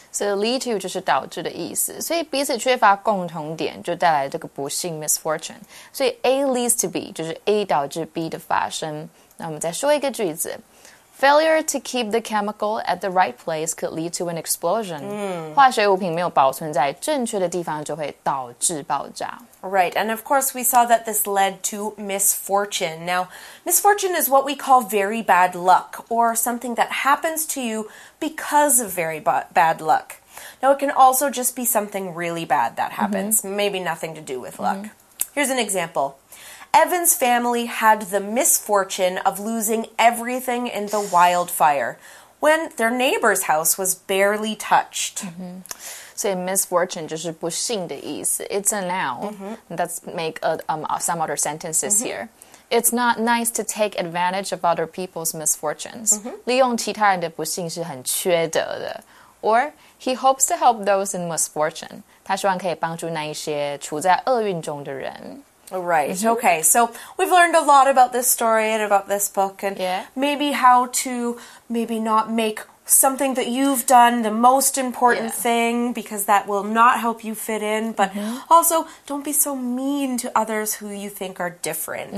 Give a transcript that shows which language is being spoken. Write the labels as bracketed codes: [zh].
[zh] So, lead to 就是导致的意思。所以彼此缺乏共同点就带来这个不幸 misfortune。所以 A leads to B, 就是 A 导致 B 的发生。那我们再说一个句子。 [en] Failure to keep the chemical at the right place could lead to an explosion. [zh] 化学物品没有保存在正确的地方就会导致爆炸。 [en] Right, and of course we saw that this led to misfortune. Now, misfortune is what we call very bad luck, or something that happens to you because of very bad luck. Now, it can also just be something really bad that happens,、mm-hmm. maybe nothing to do with luck.、Mm-hmm. Here's an example. Evan's family had the misfortune of losing everything in the wildfire when their neighbor's house was barely touched.、 Mm-hmm. So misfortune [zh] 就是不幸的意思。 [en] It's a noun. Mm-hmm. Let's make some other sentences、mm-hmm. here. It's not nice to take advantage of other people's misfortunes.、Mm-hmm. [zh] 利用其他人的不幸是很缺德的。 [en] Or he hopes to help those in misfortune. [zh] 他希望可以帮助那一些处在厄运中的人。 [en] Right,、mm-hmm. okay, so we've learned a lot about this story and about this book and、 yeah. maybe how to maybe not make something that you've done the most important、yeah. thing because that will not help you fit in, but、mm-hmm. also don't be so mean to others who you think are different.、Mm-hmm.